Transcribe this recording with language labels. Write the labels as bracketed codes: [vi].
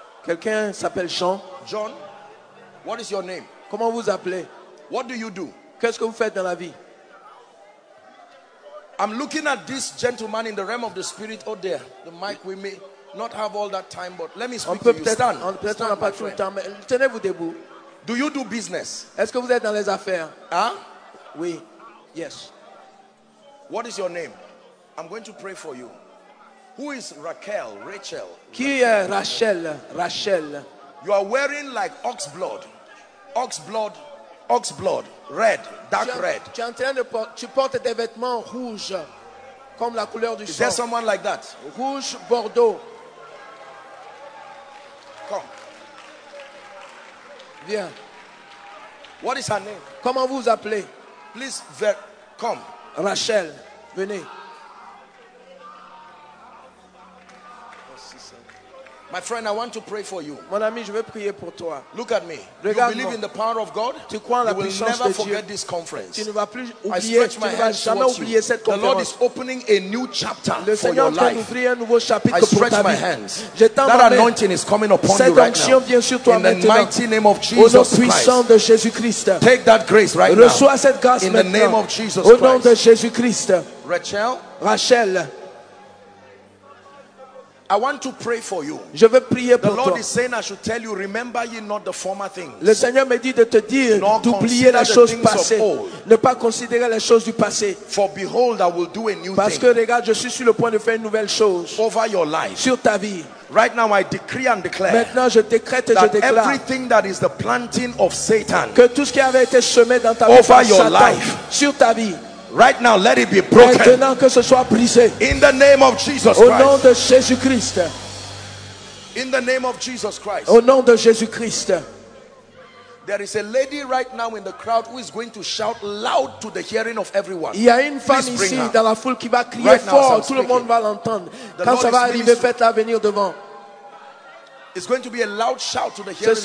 [fr] Quelqu'un s'appelle Jean. [en] John. What is your name? [fr] Comment vous appelez? [en] What do you do? [fr] Qu'est-ce que vous faites dans la vie? [en] I'm looking at this gentleman in the realm of the spirit. Oh dear, the mic. We may not have all that time, but let me speak [fr] on peut [en] to you. Stand. [fr] On peut [en] stand, [fr] on n'a pas trop de temps, mais tenez-vous debout. [en] Do you do business? [fr] Est-ce que vous êtes dans les affaires? Huh? Oui. [en] Yes. What is your name? I'm going to pray for you. Who is Raquel? Rachel. [fr] Qui est Rachel? Rachel. [en] You are wearing like ox blood. Ox blood. Ox blood. Red. Dark red. [fr] Tu portes des vêtements rouges. comme la couleur du sang. [en] Is there someone like that? [fr] Rouge Bordeaux. [en] Come. [fr] Viens. [en] What is her name? [fr] Comment vous appelez? [en] Please, come. [fr] Rachel, venez. [en] My friend, I want to pray for you. [fr] Mon ami, je vais prier pour toi. [en] Look at me. [fr] Regarde, [en] you believe in the power of God? [fr] Tu crois en la puissance de Dieu. [en] You will never forget this conference. [fr] Tu ne vas plus oublier, tu ne vas jamais oublier cette conférence. [en] The Lord is opening a new chapter for your life. [fr] Le Seigneur vient ouvrir un nouveau chapitre pour ta vie. [en] That anointing is coming upon you right now. [fr] Cette onction vient sur toi maintenant. [en] In the mighty name of Jesus Christ. Take that grace right now. [fr] Reçois cette grâce maintenant. [en] In the name of Jesus [fr] Christ. Au nom de Jésus Christ. [en] Rachel. Rachel. I want to pray for you. [fr] Je veux prier pour [en] toi. The Lord is saying I should tell you, remember ye not the former things. [fr] Le Seigneur me dit de te dire d'oublier la chose passée. Ne pas considérer les choses du passé. [en] For behold, I will do a new thing. [fr] Parce que regarde, je suis sur le point de faire une nouvelle chose. [en] Over your life. [fr] Sur ta vie. [en] Right now I decree and declare. [fr] Maintenant je décrète et je déclare. [en] That everything that is the planting of Satan. [fr] Que tout ce qui avait été semé dans ta vie. [en] Over your life. [fr] Sur ta vie. [en] Right now, let it be broken. [fr] Maintenant que ce soit brisé. [en] In the name of Jesus [fr] au [en] Christ. [fr] Au nom de Jésus Christ. [en] In the name of Jesus Christ. [fr] Au nom de Jésus Christ. [en] There is a lady right now in the crowd who is going to shout loud to the hearing of everyone. [fr] Il y a une femme ici dans la foule qui va crier [en] right [fr] fort. [en] Now, [fr] tout le monde va l'entendre. Quand ça va arriver, faites-la venir devant. [en] It's going to be a loud shout to the hearing of everyone.